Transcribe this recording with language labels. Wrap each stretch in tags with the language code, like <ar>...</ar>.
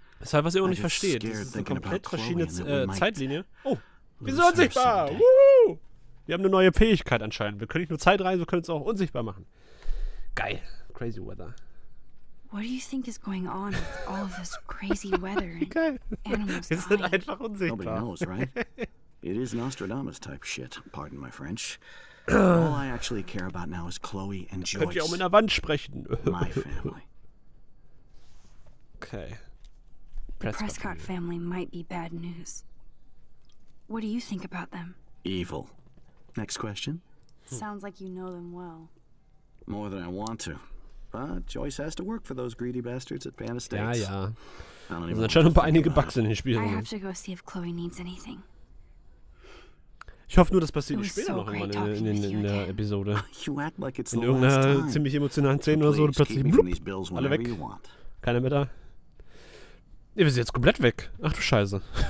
<de>Das ist halt, was ihr auch nicht versteht. Das ist eine komplett verschiedene Zeitlinie. Oh, wir sind unsichtbar. Woohoo! Wir haben eine neue Fähigkeit anscheinend. Wir können nicht nur Zeit reisen, wir können es auch unsichtbar machen. Geil. Crazy Weather.</de> <en>What do you think is going on with all of this crazy weather and animals dying?</en> <de>Ist einfach unsichtbar.</de> <en>Nobody knows, right? It is Nostradamus type shit, pardon my French. All I actually care about now is Chloe and Joyce.</en> <de>Könnt ihr auch mit einer Wand sprechen?</de> <en>My family. Okay. Prescott family might be bad news. What do you think about them? Evil. Next question? Sounds like you know them well. More than I want to. But Joyce has to work for those greedy bastards at Pan Estates.</en> <de>Ja, ja. Da sind schon ein paar einige Bugs in den Spielen.</de> <en>I have to go see if Chloe needs anything.</en> <de>Ich hoffe nur, das passiert nicht später noch mal in der Episode. In irgendeiner ziemlich emotionalen Szene oder so, plötzlich blub, alle weg. Keiner mehr da. Ihr wisst jetzt komplett weg. Ach du Scheiße.</de>